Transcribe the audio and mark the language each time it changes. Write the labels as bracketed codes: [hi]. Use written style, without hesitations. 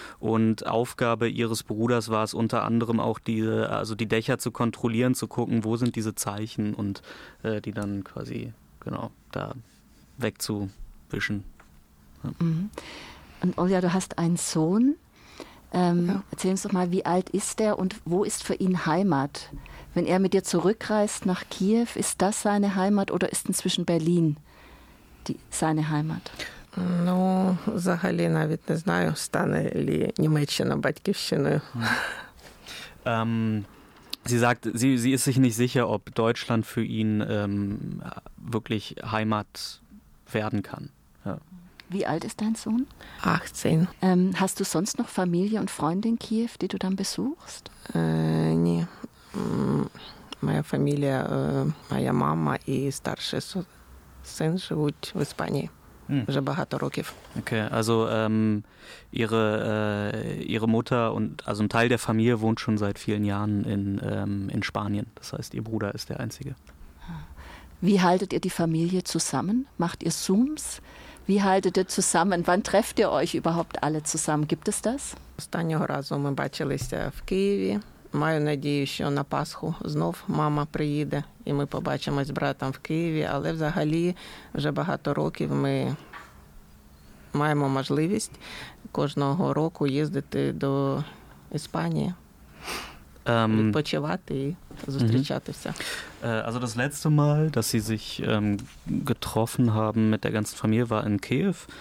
[de] Und Aufgabe ihres Bruders war es unter anderem auch, die Dächer zu kontrollieren, zu gucken, wo sind diese Zeichen und die dann quasi genau da wegzuwischen. Ja. Und Olja, du hast einen Sohn. Erzähl uns doch mal, wie alt ist er und wo ist für ihn Heimat? Wenn er mit dir zurückreist nach Kiew, ist das seine Heimat oder ist inzwischen Berlin seine Heimat? [uk] Ну, взагалі навіть не знаю, стане лі Німеччина батьківщиною. [de] Sie sagt, sie ist sich nicht sicher, ob Deutschland für ihn wirklich Heimat werden kann. Ja. Wie alt ist dein Sohn? 18. Hast du sonst noch Familie und Freunde in Kiew, die du dann besuchst? Nee. Meine Familie, meine Mama und [uk] старший Син живуть в Іспанії вже багато років. [de] Okay, also ihre Mutter und also ein Teil der Familie wohnt schon seit vielen Jahren in Spanien. Das heißt, ihr Bruder ist der einzige. Wie haltet ihr die Familie zusammen? Macht ihr Zooms? Wie haltet ihr zusammen? Wann trefft ihr euch überhaupt alle zusammen? Gibt es das? [uk] Останнього разу ми бачилися в Києві. Маю надію, що на Пасху знов мама приїде, і ми побачимось з братом в Києві. Але взагалі вже багато років ми маємо можливість кожного року їздити до Іспанії, відпочивати і зустрічатися. [de] Also das letzte Mal, dass sie sich getroffen haben mit der ganzen Familie, war in Kiew.